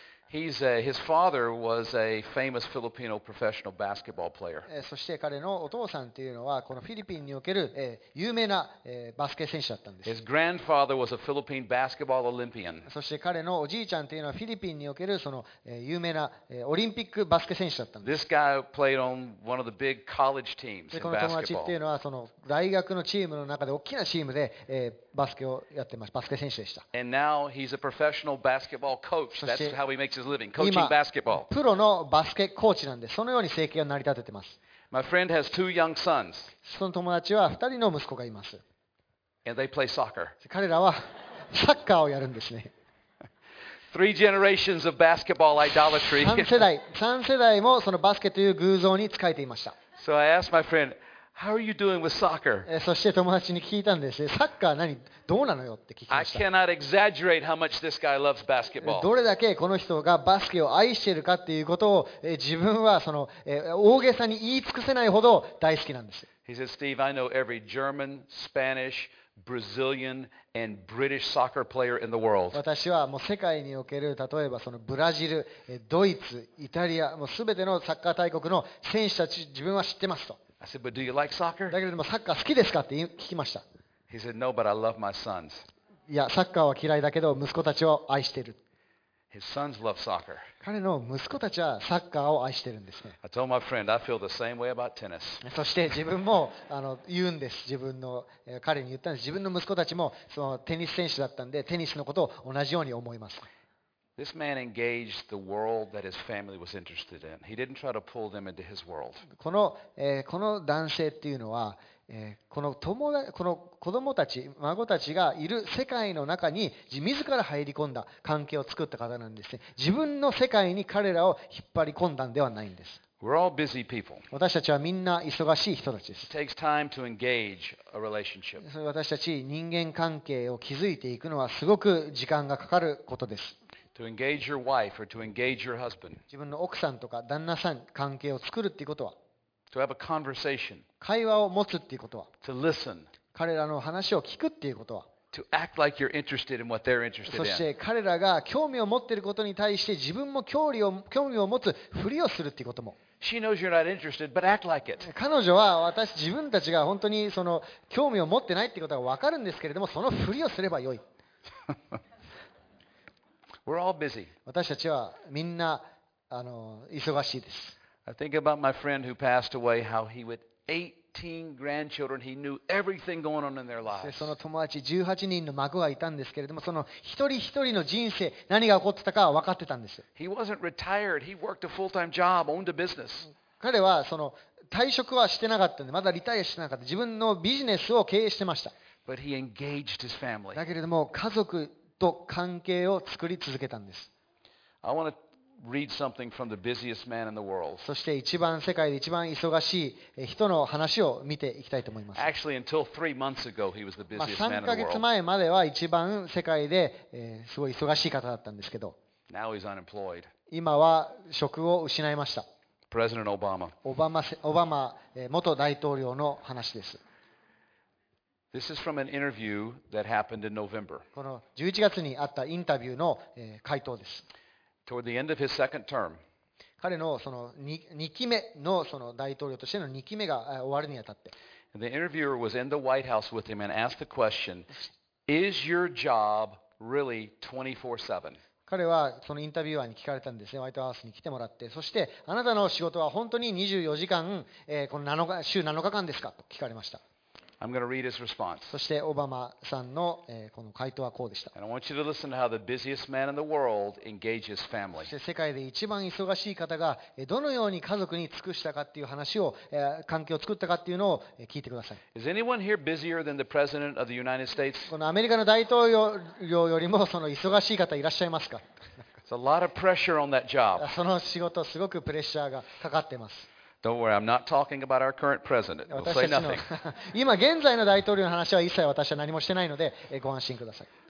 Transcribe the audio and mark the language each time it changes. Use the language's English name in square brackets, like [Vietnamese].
[English] His father was a famous Filipino professional basketball player. [Japanese] そして彼のお父さんというのはこのフィリピンにおける有名なバスケ選手だったんです。 [English] His grandfather was a Philippine basketball Olympian. [Japanese] そして彼のおじいちゃんというのはフィリピンにおけるその有名なオリンピックバスケ選手だったんです。 [English] This guy played on one of the big college teams in basketball. [Japanese] この友達っていうのはその大学のチームの中で大きなチームでバスケをやってます。バスケ選手でした。 [English] And now he's a professional basketball coach. That's how he makes his living, coaching basketball. [Japanese] 今プロのバスケコーチなんで、そのように生計を成り立ててます。 [English] My friend has two young sons. [Japanese] その友達は2人の息子がいます。 [English] And they play soccer. [Japanese] 彼らはサッカーをやるんですね。 [English] Three generations of basketball idolatry. [Japanese] 3世代もそのバスケという偶像に仕えていました。 [English] So I asked my friend,How are you doing with soccer? [Japanese] そして友達に聞いたんです。サッカー何どうなのよって聞きました。 [English] I cannot exaggerate how much this guy loves basketball. [Japanese] どれだけこの人がバスケを愛しているかっていうことを自分はその大げさに言い尽くせないほど大好きなんです。 [English] He says, Steve, I know every German, Spanish, Brazilian, and British soccer player in the world. [Japanese] 私はもう世界における例えばそのブラジル、ドイツ、イタリア、もうすべてのサッカー大国の選手たち自分は知ってますと。 [English] I said, but do you like soccer? [Japanese] だけどもサッカー好きですかって聞きました。 [English] He said, no, but I love my sons. [Japanese] いや、サッカーは嫌いだけど息子たちを愛してる。 [English] His sons love soccer. [Japanese] 彼の息子たちはサッカーを愛してるんですね。 [English] I told my friend, I feel the same way about tennis. [Japanese] そして自分も言うんです。自分の彼に言ったんです。自分の息子たちもそのテニス選手だったんでテニスのことを同じように思います。 [English] This man engaged the world that his family was interested in. He didn't try to pull them into his world. [Japanese] この男性っていうのは、この子供たち、孫たちがいる世界の中に自ら入り込んだ関係を作った方なんですね。自分の世界に彼らを引っ張り込んだんではないんです。 [English] We're all busy people. [Japanese] 私たちはみんな忙しい人たちです。 [English] It takes time to engage a relationship. [Japanese] 私たち人間関係を築いていくのはすごく時間がかかることです。 [English] To engage your wife or to engage your husband. [Japanese] 自分の奥さんとか旦那さん関係を作るっていうことは、 [English] to have a conversation. [Japanese] 会話を持つっていうことは、 [English] to listen. [Japanese] 彼らの話を聞くっていうことは、 [English] to act like you're interested in what they're interested in. [Japanese] そして彼らが興味を持っていることに対して自分も興味を持つふりをするっていうことも、 [English] she knows you're not interested, but act like it. [Japanese] 彼女は私自分たちが本当にその興味を持ってないっていうことがわかるんですけれども、そのふりをすればよい。 [English] We're all busy. [Japanese] 私たちはみんな忙しいです。 [English] I think about my friend who passed away, how he with 18 grandchildren, he knew everything going on in their lives. [Japanese] その友達18人の孫がいたんですけれども、その一人一人の人生、何が起こってたかは分かってたんです。 [English] He wasn't retired. He worked a full-time job, owned a business. [Japanese] 彼はその退職はしてなかったんで、まだリタイアしてなかった。自分のビジネスを経営してました。 [English] But he engaged his family. [Japanese] だけれども家族と関係を作り続けたんです。 [English] I want to read something from the busiest man in the world. [Japanese] そして一番世界で一番忙しい人の話を見ていきたいと思います。 [English] Actually, until 3 months ago, he was the busiest man in the world. [Japanese] 3ヶ月前までは一番世界で、すごい忙しい方だったんですけど。 [English] Now he's unemployed. [Japanese] 今は職を失いました。 [English] President Obama. [Japanese] オバマ元大統領の話です。 [English] This is from an interview that happened in November. [Japanese] この11月にあったインタビューの回答です。 [English] Toward the end of his second term. [Japanese] 彼のその2期目のその大統領としての2期目が終わるにあたって。 [English] The interviewer was in the White House with him and asked the question, "Is your job really 24/7?" [Japanese] 彼はそのインタビュアーに聞かれたんですね。ホワイトハウスに来てもらって、そしてあなたの仕事は本当に24時間この週7日間ですかと聞かれました。 [English] I'm going to read his response. [Japanese] そしてオバマさんのこの回答はこうでした。 [English] And I want you to listen to how the busiest man in the world engages family. [Japanese] そして世界で一番忙しい方がどのように家族に尽くしたかっていう話を関係を作ったかっていうのを聞いてください。 [English] Is anyone here busier than the president of the United States? [Japanese] このアメリカの大統領よりもその忙しい方いらっしゃいますか？ [English] It's a lot of pressure on that job. [Japanese] その仕事すごくプレッシャーがかかってます。 [English] Don't worry, I'm not talking about our current president. We'll say nothing. [Japanese] 今現在の大統領の話は一切私は何もしてないのでご安心ください。